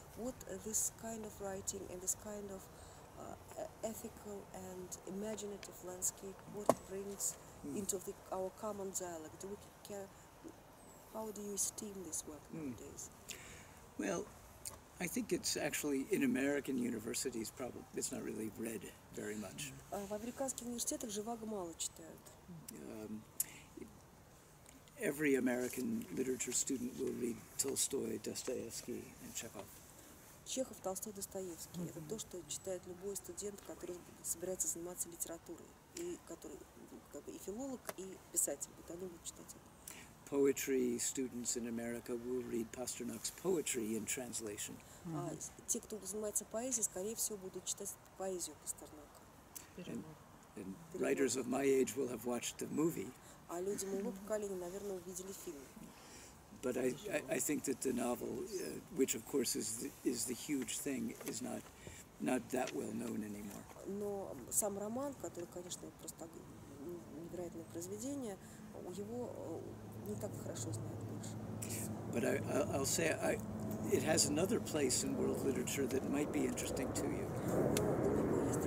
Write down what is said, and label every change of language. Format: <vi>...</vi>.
<en>What this kind of writing and this kind of ethical and imaginative landscape? What it brings into the our common dialogue? Do we care? How do you esteem this work nowadays? Well. I think it's actually in American universities probably it's not really read very much.</en> <ru>В американских университетах Живаго мало читают.</ru> <en>Every American literature student will read Tolstoy, Dostoevsky and Chekhov.</en> <ru>Чехов, Толстой, Достоевский. Это то, что читает любой студент, который собирается заниматься литературой, и который как бы и филолог, и писатель, вот они будут читать это.</ru> <en>Poetry students in America will read Pasternak's poetry in translation.</en> <ru>Те, кто занимается поэзией, скорее всего, будут читать поэзию Пастернака.</ru> <en>And writers of my age will have watched the movie.</en> <ru>А люди моего поколения, наверное, увидели фильм.</ru> <en>But I think that the novel, which of course is the huge thing, is not that well known anymore.</en> <ru>Но сам роман, который, конечно, просто невероятное произведение, его не так хорошо знают больше.</ru> <en>But I'll say it has another place in world literature that might be interesting to you.</en>